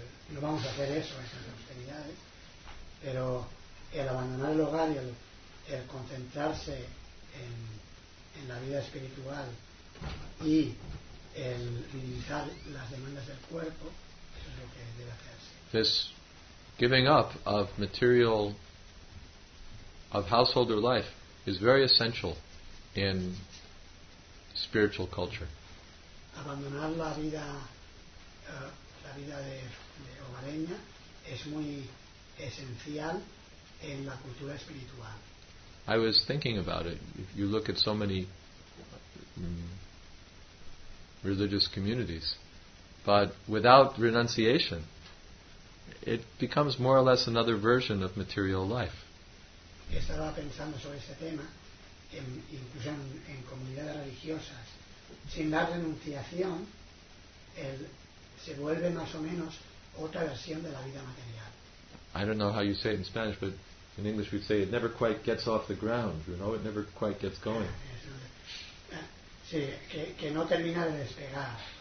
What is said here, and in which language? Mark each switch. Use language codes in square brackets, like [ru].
[es] No vamos a hacer eso, esas austeridades, pero el abandonar el hogar y el concentrarse en la vida espiritual y el minimizar las demandas del cuerpo, eso es lo que debe hacerse. [en] This giving up of material, of householder life, is very essential in spiritual culture. [es] Abandonar la vida de hogareña es muy esencial en la cultura espiritual. [en] I was thinking about it. If you look at so many religious communities, but without renunciation, it becomes more or less another version of material life. [es] Estaba pensando sobre ese tema, incluso en comunidades religiosas, sin la renunciación, se vuelve más o menos otra versión de la vida material. [en] I don't know how you say it in Spanish, but in English we'd say it never quite gets off the ground. You know, it never quite gets going. [es] Sí, que no termina de despegar.